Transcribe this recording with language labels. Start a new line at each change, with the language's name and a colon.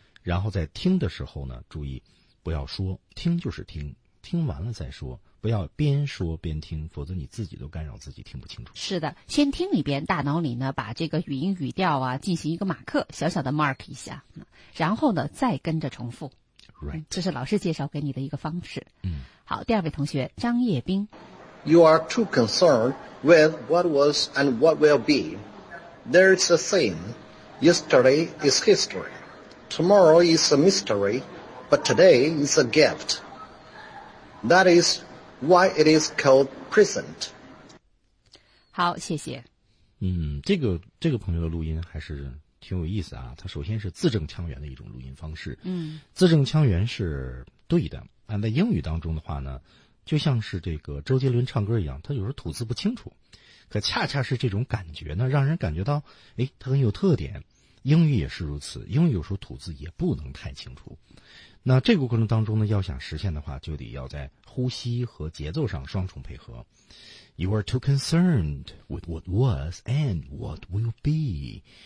Chinese: 然后在听的时候呢，注意不要说，听就是听，听完了再说，不要边说边听，否则你自己都干扰自己，听不清楚。是的，先听一遍，大脑里呢把这个语音语调啊进行一个马克，小小的 mark 一下，然后呢再跟着重复。
English: Right.
Chinese: 这是老师介绍给你的一个方式。嗯，好，第二位同学张叶冰。
English: You are too concerned with what was and what will be. There is a saying, yesterday is history. Tomorrow is a mystery, but today is a gift. That is why it is called present.
Chinese: 好，谢谢。这个朋友的录音还是挺有意思啊。他首先是字正腔圆的一种录音方式。字正腔圆是对的。按在英语当中的话呢，就像是这个周杰伦唱歌一样，他有时候吐字不清楚。可恰恰是这种感觉呢，让人感觉到，哎，他很有特点。英语也是如此，英语有时候吐字也不能太清楚。那这个过程当中呢，要想实现的话，就得要在呼吸和节奏上双重配合。
English: You are too concerned with what was and what will be.